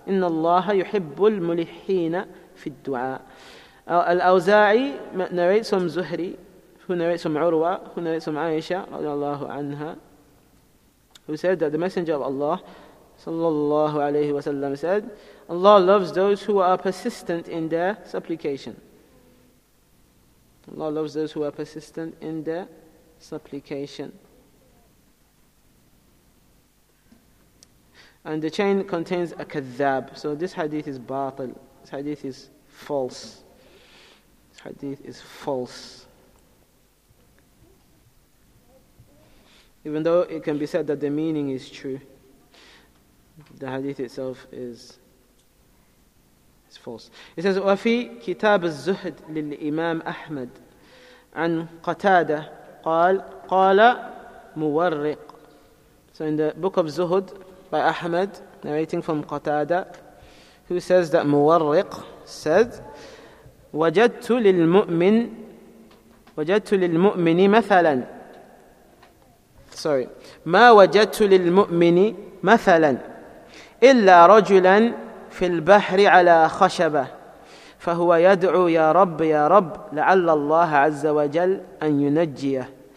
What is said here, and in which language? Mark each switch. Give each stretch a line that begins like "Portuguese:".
Arabic: إن الله يحب الملحين في الدعاء.
English: الأوزاعي narrates from Zuhri, who narrates from عروة, who narrates from عائشة رضي الله عنها, who said that the Messenger of Allah صلى الله عليه وسلم said, Allah loves those who are persistent in their supplication. Allah loves those who are persistent in their supplication. And the chain contains a kadhab. So this hadith is batil. This hadith is false. This hadith is false. Even though it can be said that the meaning is true, the hadith itself is false. It says,
Arabic: وَفِي كِتَابِ الزُّهْدِ لِلْإِمَامِ أَحْمَدِ عَنْ قَتَادَ قَالَ مُوَرِّقْ.
English: So in the book of Zuhud by Ahmad, narrating from Qatada, who says that Muwarriq said,
Arabic: وَجَدْتُ لِلْمُؤْمِنِ مَثَلًا.
English: Sorry.
Arabic: مَا وَجَدْتُ لِلْمُؤْمِنِ مَثَلًا إِلَّا رَجُلًا فِي الْبَحْرِ عَلَى خَشَبَةٍ فَهُوَ يَدْعُو يَا رَبِّ يَا رَبِّ لَعَلَّ اللَّهَ عَزَّ وَجَلْ أَنْ يُنَجِّيَهُ.